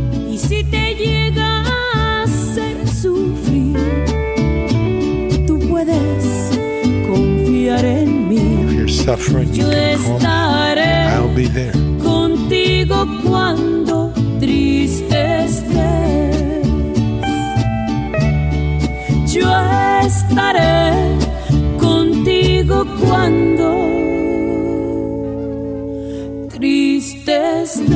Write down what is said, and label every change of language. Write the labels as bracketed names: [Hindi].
[Spanish] Y si te llega a hacer sufrir, tú puedes confiar en mí. [English] If you're suffering, you can call me. I'll be there. [Spanish] Contigo cuando triste estés. Yo estaré contigo cuando triste